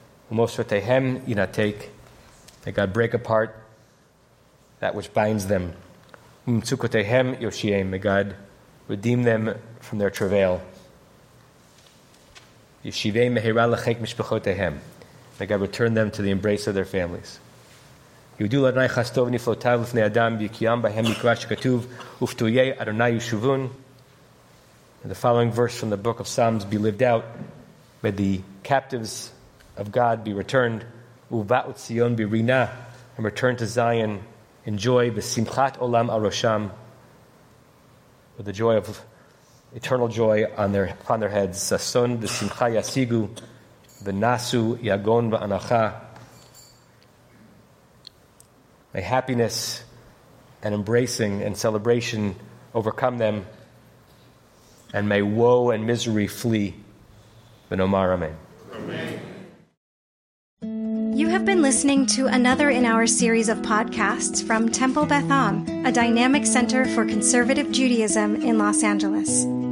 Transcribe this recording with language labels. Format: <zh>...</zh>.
<he>ומוסרותיהם ינתק,</he> <en>may God break apart that which binds them.</en> <he>ומצוקותיהם יושיעם,</he> <en>may God redeem them from their travail.</en> <he>ישיבם מהירה לחיק משפחותיהם,</he> <en>may God return them to the embrace of their families.</en> <he>יהודו לאדוני חסדו ונפלאותיו לפני אדם, ויקיים בהם מקרא שכתוב, ופתויי אדוני יושבון.</he> <en>And the following verse from the book of Psalms be lived out, may the captives of God be returned,</en> <he>ובאו ציון ברינה,</he> <en>and return to Zion in joy,</en> <he>בשמחת עולם על ראשם,</he> <en>with the joy of eternal joy on their heads.</en> <he>ששון ושמחה ישיגו, ונסו יגון ואנחה.</he> <en>May happiness and embracing and celebration overcome them, and may woe and misery flee</en> <he>V'nomar amen.</he> <en>You have been listening to another in our series of podcasts from Temple Beth Am, a dynamic center for conservative Judaism in Los Angeles.</en>